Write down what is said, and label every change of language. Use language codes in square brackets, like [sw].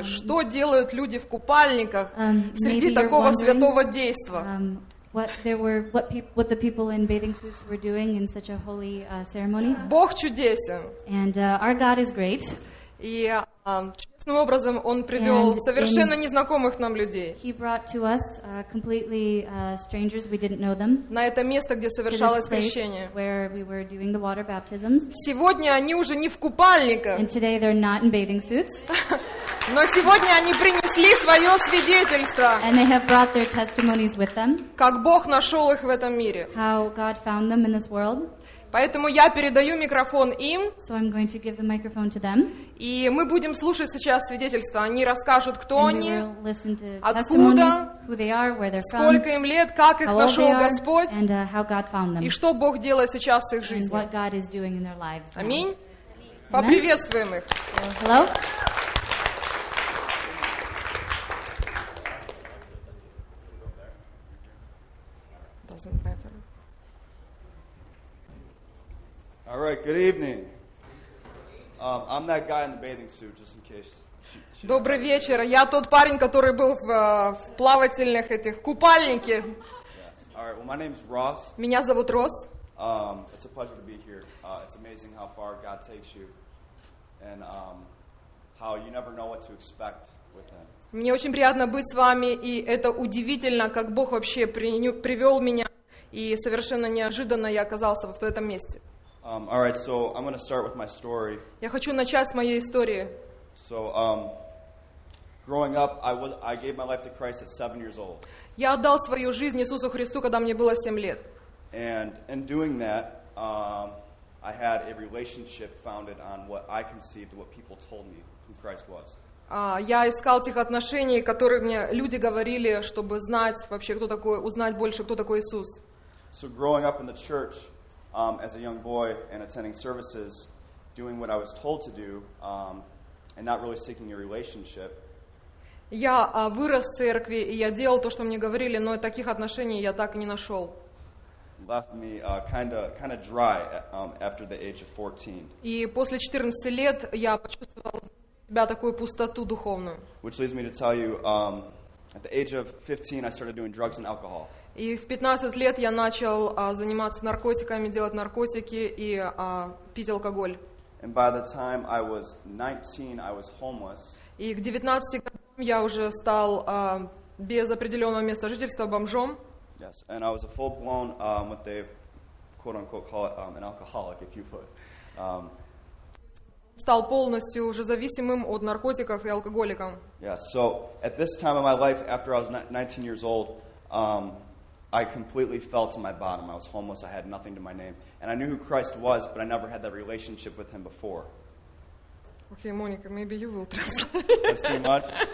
[ru] Что делают люди в купальниках среди такого святого действа? [en] What the people in bathing suits were doing in such a holy ceremony. [ru] Бог чудесен. [en] And our God is great. [ru] И чудесным образом Он привел совершенно незнакомых нам людей. [en] He brought to us completely strangers, we didn't know them. [ru] На это место, где совершалось крещение. [en] Where we were doing the water baptisms. [ru] Сегодня они уже не в купальниках. [en] And today they're not in bathing suits. [ru] Но сегодня они принесли свое свидетельство. [en] And they have brought their testimonies with them. [ru] Как Бог нашел их в этом мире. [en] How God found them in this world. [ru] Поэтому я передаю микрофон им. [en] So I'm going to give the microphone to them. [ru] И мы будем слушать сейчас свидетельства. Они расскажут, кто [en] and [ru] они, [en] we'll listen to [ru] откуда, [en] who they are, where they're from, [ru] сколько им лет, как их нашел [en] they are, [ru] Господь, [en] and, how God found them. [ru] И что Бог делает сейчас в их жизни. [en] And what God is doing in their lives now. [ru] Аминь. Поприветствуем их. [en] Hello. All right, good evening. I'm that guy in the bathing suit, just in case. [ru] Добрый вечер. Я тот парень, который был в плавательных этих купальнике. [en] Yes. All right, well, my name is Ross. [ru] Меня зовут Росс. [en] It's a pleasure to be here. It's amazing how far God takes you. And how you never know what to expect with him. [ru] Мне очень приятно быть с вами, и это удивительно, как Бог вообще привел меня, и совершенно неожиданно я оказался в этом месте. [en] All right, so I'm going to start with my story. [ru] Я хочу начать с моей истории. [en] So, growing up, I gave my life to Christ at 7 years old. [ru] Я отдал свою жизнь Иисусу Христу, когда мне было 7 лет. [en] And in doing that, I had a relationship founded on what I conceived, what people told me who Christ was. [ru] Я искал тех отношений, которые мне люди говорили, чтобы знать вообще, кто такой, узнать больше, кто такой Иисус. [en] So growing up in the church, as a young boy and attending services, doing what I was told to do, and not really seeking a relationship. [ru] Я вырос в церкви, и я делал то, что мне говорили, но таких отношений я так и не нашел. [en] Left me kind of dry after the age of 14. [ru] И после 14 лет я почувствовал себя такую пустоту духовную. [en] Which leads me to tell you, at the age of 15, I started doing drugs and alcohol. [ru] И в 15 лет я начал заниматься наркотиками, делать наркотики и пить алкоголь. [en] And by the time I was 19, I was homeless. [ru] И к 19 годам я уже стал без определенного места жительства, бомжом. [en] Yes, and I was a full-blown, what they quote-unquote call it, an alcoholic, if you would. [ru] Стал полностью уже зависимым от наркотиков и алкоголиком. [en] Yes, so at this time of my life, after I was 19 years old, I completely fell to my bottom. I was homeless, I had nothing to my name. And I knew who Christ was, but I never had that relationship with him before. Okay, Monica, maybe you will translate. That's too much?